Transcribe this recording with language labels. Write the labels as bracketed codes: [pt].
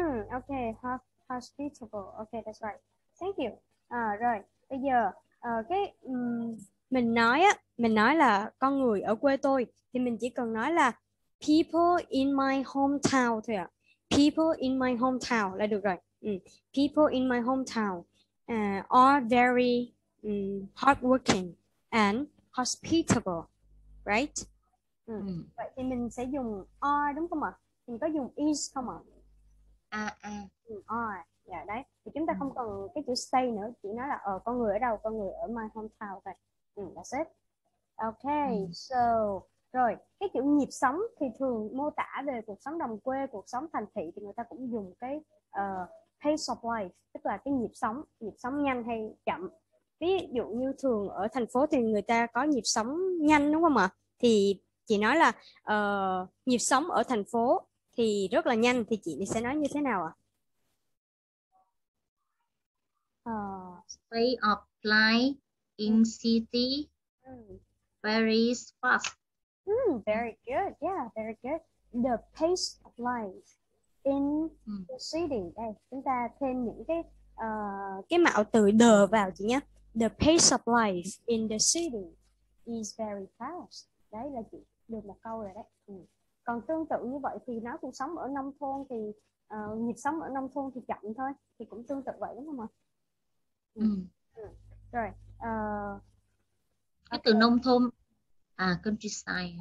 [en] Okay, hospitable. Okay, that's right. Thank you. [vi] Rồi bây giờ cái mình nói á, mình nói là con người ở quê tôi thì mình chỉ cần nói là [en] people in my hometown [vi] thôi ạ. [en] People in my hometown [vi] là được rồi. [en] People in my hometown are very hardworking and hospitable, right? [vi] Vậy thì mình sẽ dùng are đúng không ạ? Mình có dùng is không ạ? Are. Dạ đấy. Thì chúng ta không cần cái chữ stay nữa, chỉ nói là con người ở đâu, con người ở my hometown vậy. [en] That's it. Okay, so [vi] rồi cái chữ nhịp sống thì thường mô tả về cuộc sống đồng quê, cuộc sống thành thị thì người ta cũng dùng cái [en] pace of life, [vi] tức là cái nhịp sống nhanh hay chậm. Ví dụ như thường ở thành phố thì người ta có nhịp sống nhanh đúng không ạ? Thì chị nói là nhịp sống ở thành phố thì rất là nhanh, thì chị sẽ nói như thế nào ạ? [en] Speed of life in city very fast. Very good. Yeah, very good. The pace of life in the city. [vi] Đây, chúng ta thêm những cái mạo từ the vào chị nhé. [en] The pace of life in the city is very fast. [vi] Đấy là chị được một câu rồi đấy. Còn tương tự như vậy thì nói cuộc sống ở nông thôn thì nhịp sống ở nông thôn thì chậm thôi, thì cũng tương tự vậy đúng không ạ? Rồi Cái từ nông thôn à, countryside.